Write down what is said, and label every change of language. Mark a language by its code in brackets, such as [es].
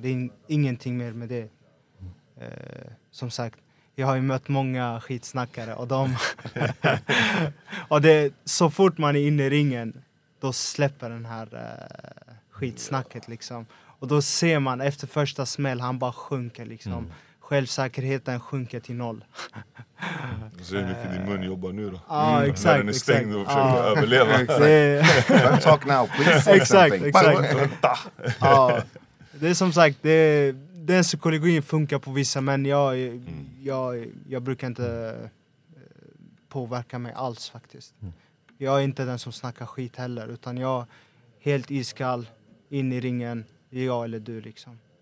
[sv] Det är ingenting mer med det. Som sagt, jag har ju mött många skitsnackare och de och det, så fort man är inne i ringen, då släpper den här skitsnacket liksom. Och då ser man efter första smäll, han bara sjunker liksom. Mm. Självsäkerheten sjunker till noll. Du ser hur mycket din mun jobbar nu då. Ja, exakt. När den är stängd och försöker överleva. [en] Don't talk now, please say [sv] exakt, [en] something. [sv] Exakt. Det är som sagt, den psykologin funkar på vissa, men jag brukar inte påverka mig alls faktiskt. Jag är inte den som snackar skit heller, utan jag helt iskall in i ringen, jag eller du liksom.